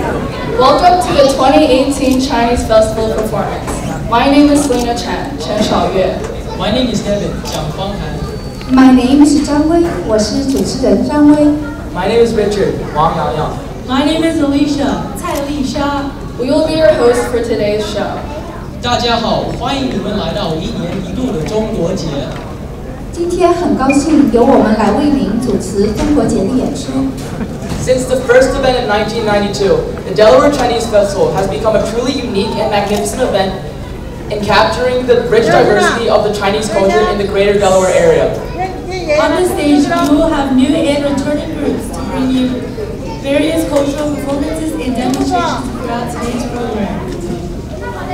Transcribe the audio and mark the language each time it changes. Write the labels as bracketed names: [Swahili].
[English] Chinese Festival Performance. My name is Lena Chen, Chen Shaoyue. My name is Devin, 蒋方涵. My name is Zhang Wei, [Chinese] 我是主持人 [English] Zhang Wei. My name is Richard, 王瑶瑶. My name is Alicia, 蔡丽莎. We will be your host for today's show. [Chinese] 大家好, 欢迎你们来到一年一度的中国节。今天很高兴由我们来为您主持中国节的演出。 [English] Since the first event in 1992, the Delaware Chinese Festival has become a truly unique and magnificent event in capturing the rich diversity of the Chinese culture in the greater Delaware area. On this stage, we will have new and returning groups to bring you various cultural performances and demonstrations throughout today's program.